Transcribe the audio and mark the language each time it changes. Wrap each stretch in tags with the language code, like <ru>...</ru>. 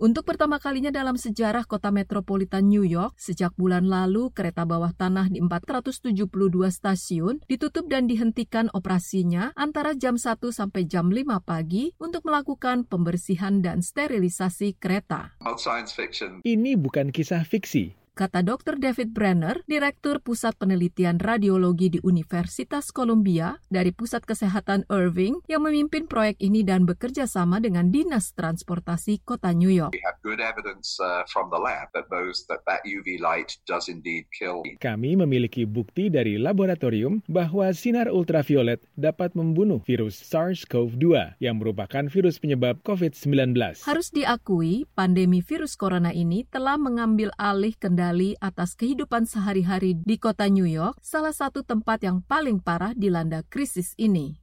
<id>Untuk pertama kalinya dalam sejarah kota metropolitan New York, sejak bulan lalu kereta bawah tanah di 472 stasiun ditutup dan dihentikan operasinya antara jam 1 sampai jam 5 pagi untuk melakukan pembersihan dan sterilisasi kereta. Ini bukan kisah fiksi, kata Dr. David Brenner, Direktur Pusat Penelitian Radiologi di Universitas Columbia dari Pusat Kesehatan Irving yang memimpin proyek ini dan bekerja sama dengan Dinas Transportasi Kota New York.</id> <en>We have good evidence from the lab that those that UV light does indeed kill.</en> <id>Kami memiliki bukti dari laboratorium bahwa sinar ultraviolet dapat membunuh virus SARS-CoV-2 yang merupakan virus penyebab COVID-19. Harus diakui, pandemi virus corona ini telah mengambil alih kendali atas kehidupan sehari-hari di kota New York, salah satu tempat yang paling parah dilanda krisis ini.</id>